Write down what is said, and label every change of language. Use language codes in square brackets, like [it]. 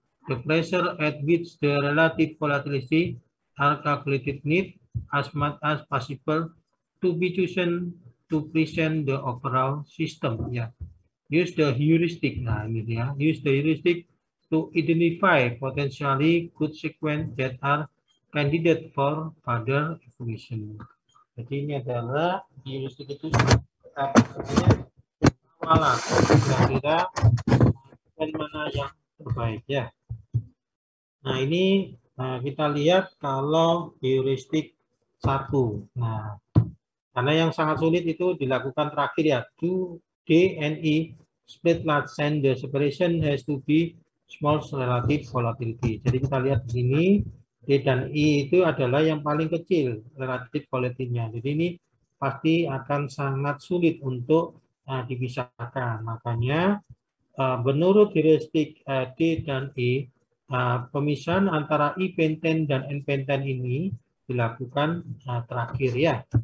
[en] The pressure at which the relative volatility are calculated need as much as possible to be chosen to present the overall system. Yeah. Use the heuristic. [id] Nah, gitu ya. [en] Use the heuristic to identify potentially good sequence that are candidate for further evaluation. [id] Jadi ini adalah heuristic itu sebenarnya awalan. Kira-kira dari mana yang terbaik ya. Nah ini kita lihat kalau heuristic satu. Nah karena yang sangat sulit itu dilakukan terakhir ya. [en] Do D and E split large and the separation has to be small relative volatility. [id] Jadi kita lihat di sini D dan E itu adalah yang paling kecil relative volatility-nya. Jadi ini pasti akan sangat sulit untuk dipisahkan. Makanya menurut heuristik D dan E, pemisahan antara E pentan dan N pentan ini dilakukan terakhir ya.